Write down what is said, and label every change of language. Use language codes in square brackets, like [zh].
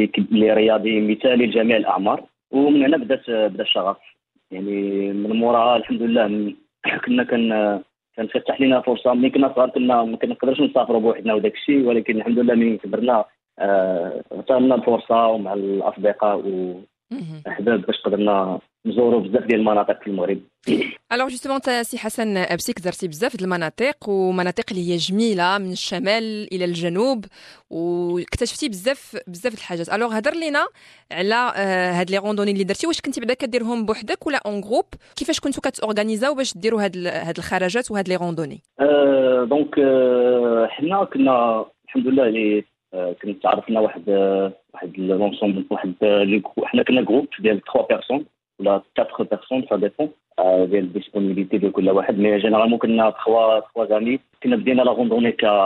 [ar] لرياضي مثالي لجميع الأعمار ومن هنا بدأ الشغف يعني من موراها الحمد لله كنا كنفتح لنا فرصة ملي كنا صغار كنا ما كنقدرش نسافر بوحدنا وداك الشيء ولكن الحمد لله ملي كبرنا اعطانا الفرصة ومع الأصدقاء والأحباب باش قدرنا نزورو بزاف ديال المناطق في المغرب. [fr] Alors justement, si Hassan Absike, tu as dit beaucoup de manatek, ou manatek qui est jmila, [ar] من الشمال الى الجنوب, [fr] ou tu as fait beaucoup de choses. [ar] Alors, hadr lina ala had [fr] les randonnées [ar] li درتي, واش كنتي بعدا كديرهم بوحدك ولا [fr] en groupe? [ar] كيفاش كنتو كتورغانيزاو باش ديروا هاد الخرجات وهاد لي randonnées? Donc حنا كنا الحمد لله اللي كنت عرفنا واحد لونسون واحد لي حنا كنا جروب ديال 3 بيرسون ولا 4 بيرسون سا ديبون ديال الديسبونيبيليتي ديال كل واحد مي جينيرالمون كنا خوا زامي كنا بدينا لا روندوني